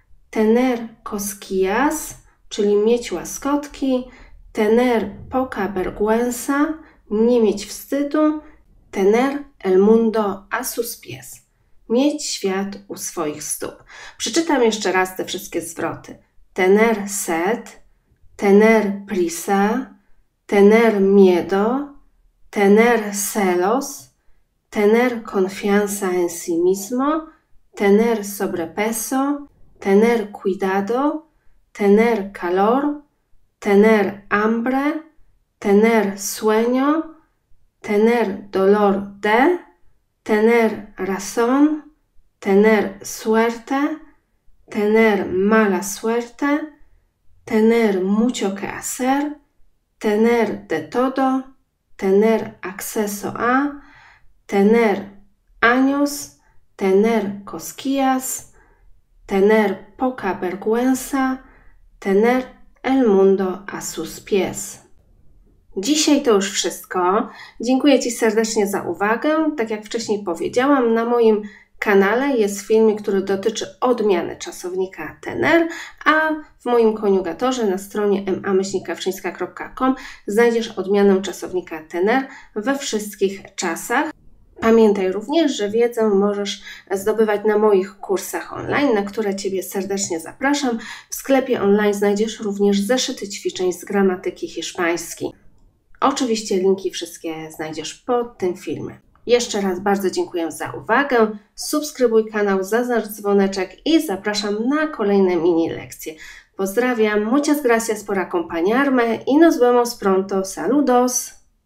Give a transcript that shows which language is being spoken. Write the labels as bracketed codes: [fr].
[es] Tener cosquillas, [pl] czyli mieć łaskotki. [es] Tener poca vergüenza, [pl] nie mieć wstydu. [es] Tener el mundo a sus pies, [pl] mieć świat u swoich stóp. Przeczytam jeszcze raz te wszystkie zwroty. [es] Tener sed, tener prisa, tener miedo, tener celos, tener confianza en sí mismo, tener sobrepeso, tener cuidado, tener calor, tener hambre, tener sueño, tener dolor de, tener razón, tener suerte, tener mala suerte, tener mucho que hacer, tener de todo, tener acceso a, tener años, tener cosquillas, tener poca vergüenza, tener el mundo a sus pies. [pl] Dzisiaj to już wszystko. Dziękuję Ci serdecznie za uwagę. Tak jak wcześniej powiedziałam, na moim kanale jest filmik, który dotyczy odmiany czasownika tener, a w moim koniugatorze na stronie ma-kawczyńska.com znajdziesz odmianę czasownika tener we wszystkich czasach. Pamiętaj również, że wiedzę możesz zdobywać na moich kursach online, na które Ciebie serdecznie zapraszam. W sklepie online znajdziesz również zeszyty ćwiczeń z gramatyki hiszpańskiej. Oczywiście linki wszystkie znajdziesz pod tym filmem. Jeszcze raz bardzo dziękuję za uwagę, subskrybuj kanał, zaznacz dzwoneczek i zapraszam na kolejne mini lekcje. Pozdrawiam, [es] muchas gracias por acompañarme y nos vemos pronto, saludos!